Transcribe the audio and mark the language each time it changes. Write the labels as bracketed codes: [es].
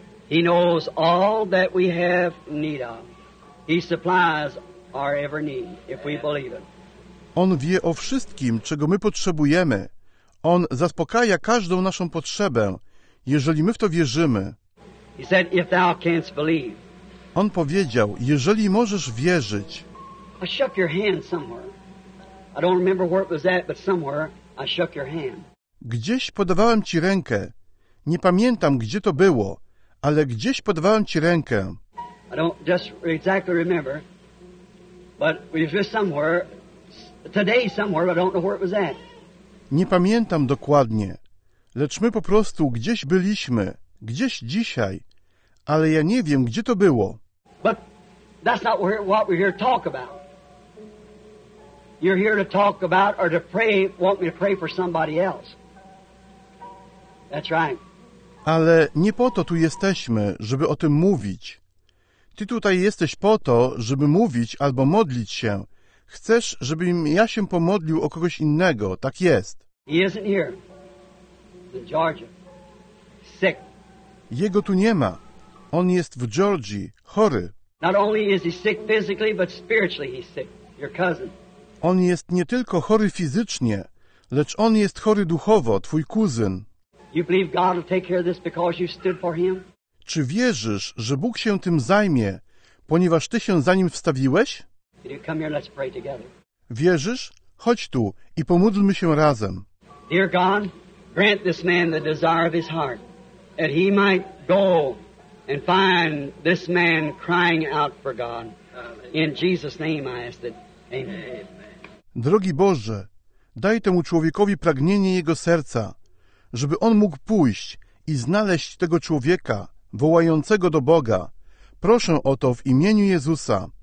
[en] He knows all that we have need of. He supplies our every need, if we believe him. [pl] On wie o wszystkim, czego my potrzebujemy. On zaspokaja każdą naszą potrzebę, jeżeli my w to wierzymy. [en] He said, if thou canst believe. [pl] On powiedział, jeżeli możesz wierzyć. [en] I shook your hand somewhere. I don't remember where it was at, but somewhere I shook your hand. [pl] Gdzieś podawałem ci rękę. Nie pamiętam, gdzie to było, ale gdzieś podawałem ci rękę. [en] I don't just exactly remember, but we were somewhere, today somewhere, but I don't know where it was at. [pl] Nie pamiętam dokładnie. Lecz my po prostu gdzieś byliśmy, gdzieś dzisiaj, ale ja nie wiem, gdzie to było. [en] But that's not what we're here to talk about. You're here to talk about or to pray, want me to pray for somebody else. That's right. [pl] Ale nie po to tu jesteśmy, żeby o tym mówić. Ty tutaj jesteś po to, żeby mówić albo modlić się. Chcesz, żebym ja się pomodlił o kogoś innego, tak jest. [en] He isn't here. In Georgia. Sick. [pl] Jego tu nie ma. On jest w Georgii, chory. [en] Not only is he sick physically, but spiritually he's sick. Your cousin. [pl] On jest nie tylko chory fizycznie, lecz on jest chory duchowo, twój kuzyn. [en] You believe God will take care of this because you stood for him? [pl] Czy wierzysz, że Bóg się tym zajmie, ponieważ ty się za nim wstawiłeś? [en] Did you come here, let's pray together. [pl] Wierzysz? Chodź tu i pomódlmy się razem. [en] Dear God, grant this man the desire of his heart, that he might go and find this man crying out for God. In Jesus' name I ask that. Amen. [pl] Drogi Boże, daj temu człowiekowi pragnienie jego serca, żeby on mógł pójść i znaleźć tego człowieka, wołającego do Boga. Proszę o to w imieniu Jezusa.